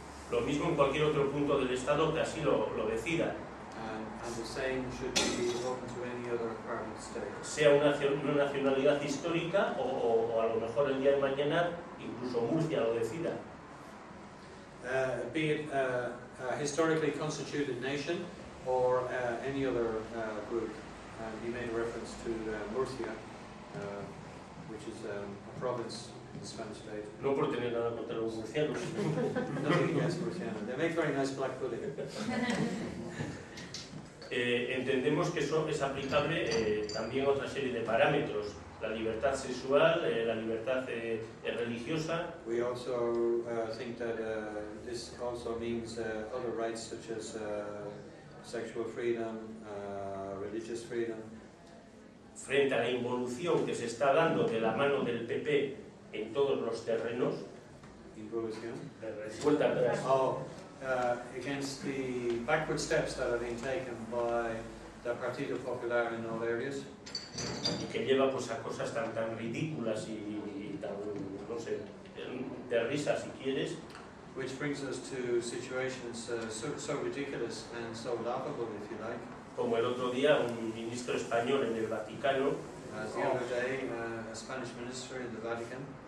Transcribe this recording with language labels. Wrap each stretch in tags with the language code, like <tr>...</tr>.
<es>Lo mismo en cualquier otro punto del Estado que así lo decida.</es> <en>And the same should be open to any other part of the state.</en> <es>Sea una nacionalidad histórica o a lo mejor el día de mañana incluso Murcia lo decida.</es> <en>Be it a historically constituted nation or any other group. You made reference to Murcia, which is a province in the Spanish state.</en> <es>No por tener nada contra los murcianos.</es> <en>No, yes, Murciano. They make very nice black pudding.</en> <es>Entendemos que eso es aplicable también a otra serie de parámetros. La libertad sexual, la libertad religiosa.</es> <en>We also think that this also means other rights such as sexual freedom, religious freedom.</en> <es>Frente a la involución que se está dando de la mano del PP en todos los terrenos. Involución. Vuelta atrás.</es> <en>Oh, against the backward steps that are being taken by the Partido Popular in all areas.</en> <es>Y que lleva pues a cosas tan ridículas y tan, no sé, de risa si quieres.</es> <en>which brings us to situations so ridiculous and so laughable, if you like.</en> <es>Como el otro día, un ministro español en el Vaticano.</es> <en>As the other day, a Spanish minister in the Vatican.</en>